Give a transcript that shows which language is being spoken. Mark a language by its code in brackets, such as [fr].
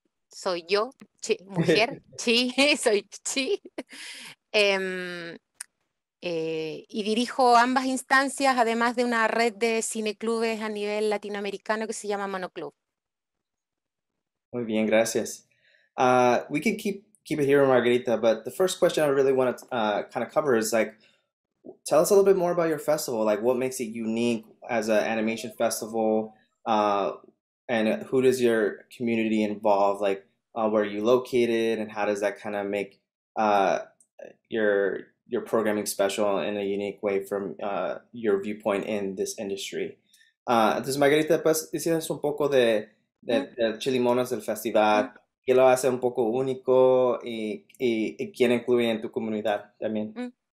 [es] Soy yo, chi, mujer, chi, soy chi. Y dirijo ambas instancias, además de una red de cineclubes a nivel latinoamericano que se llama Monoclub. Muy bien, gracias. [en] We can keep it here, Margarita, but the first question I really want to kind of cover is, like, tell us a little bit more about your festival. Like, what makes it unique as an animation festival? And who does your community involve? Like, where are you located, and how does that kind of make your programming special in a unique way from your viewpoint in this industry? [es] Entonces, Margarita, pues, decirnos un poco de Chilemonos, el festival. ¿Qué lo hace un poco único y quién incluye en tu comunidad también?